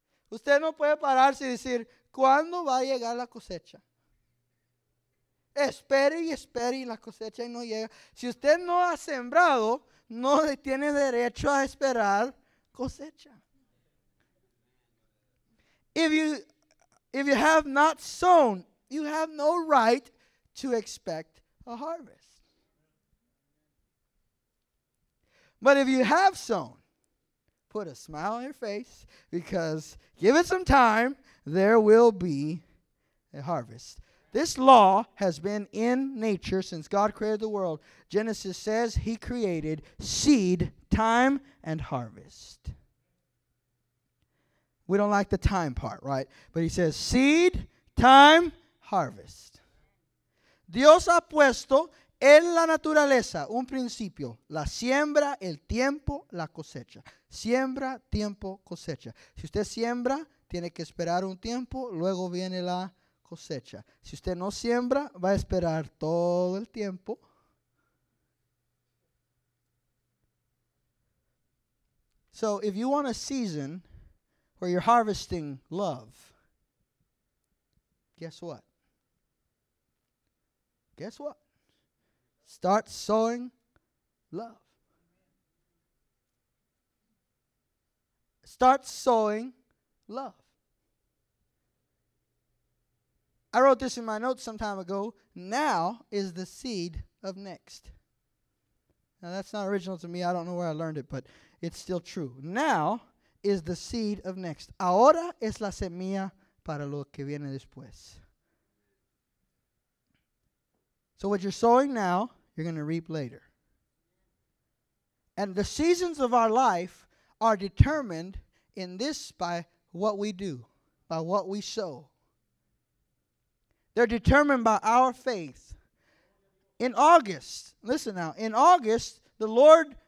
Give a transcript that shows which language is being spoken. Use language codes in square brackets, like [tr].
[es] Usted no puede pararse y decir, ¿cuándo va a llegar la cosecha? Espere y espere y la cosecha y no llega. Si usted no ha sembrado, no tiene derecho a esperar cosecha. [en] If you have not sown, you have no right to expect a harvest. But if you have sown, put a smile on your face because give it some time, there will be a harvest. This law has been in nature since God created the world. Genesis says He created seed, time, and harvest. We don't like the time part, right? But He says seed, time, harvest. [es] Dios ha puesto en la naturaleza un principio, la siembra, el tiempo, la cosecha. Siembra, tiempo, cosecha. Si usted siembra, tiene que esperar un tiempo, luego viene la cosecha. Si usted no siembra, va a esperar todo el tiempo. [en] So if you want a season where you're harvesting love, guess what? Guess what? Start sowing love. Start sowing love. I wrote this in my notes some time ago. Now is the seed of next. Now that's not original to me. I don't know where I learned it, but it's still true. Now is the seed of next. [es] Ahora es la semilla para lo que viene después. [en] So what you're sowing now, you're going to reap later. And the seasons of our life are determined in this by what we do, by what we sow. They're determined by our faith. In August, listen now, in August, the Lord